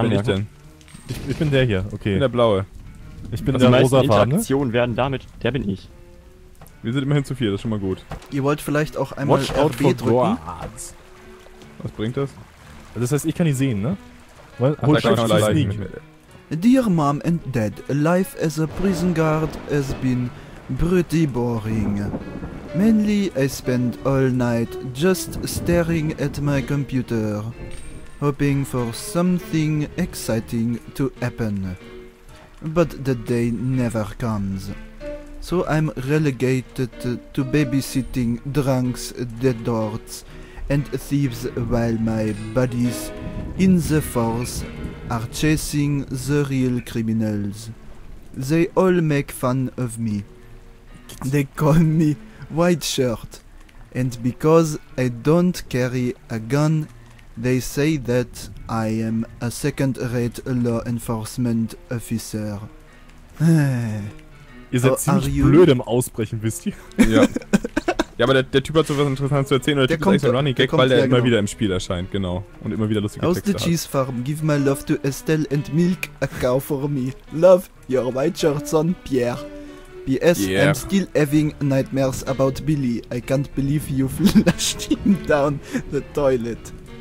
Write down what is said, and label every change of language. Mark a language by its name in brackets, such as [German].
[German] anmerken. Wer bin ich denn? Ich bin der hier, okay. Ich bin der Blaue. Ich bin der rosa Farbe. Die meisten Interaktionen werden damit, der bin ich. Wir sind immerhin zu viel, das ist schon mal gut. Ihr wollt vielleicht auch einmal RB drücken? Guards. Was bringt das? Also das heißt, ich kann die sehen, ne? Weil, ach, hol schon mal Sneak. [English] Dear Mom and Dad, life as a prison guard has been pretty boring. Mainly I spend all night just staring at my computer, hoping for something exciting to happen. But the day never comes. So I'm relegated to babysitting drunks, dead orts, and thieves while my buddies in the force are chasing the real criminals. They all make fun of me. They call me White Shirt, and because I don't carry a gun, they say that I am a second-rate law enforcement officer. [German] Ihr seid ziemlich blöd im Ausbrechen, wisst ihr? Ja. Ja, aber der Typ hat sowas Interessantes zu erzählen, oder der Typ ist ein Running Gag, weil er immer wieder im Spiel erscheint, genau. Und immer wieder lustige Texte hat. [English] House the cheese farm, give my love to Estelle and milk a cow for me. Love, your white shirt son, Pierre. P.S. Yeah. I'm still having nightmares about Billy. I can't believe you flushed him down the toilet.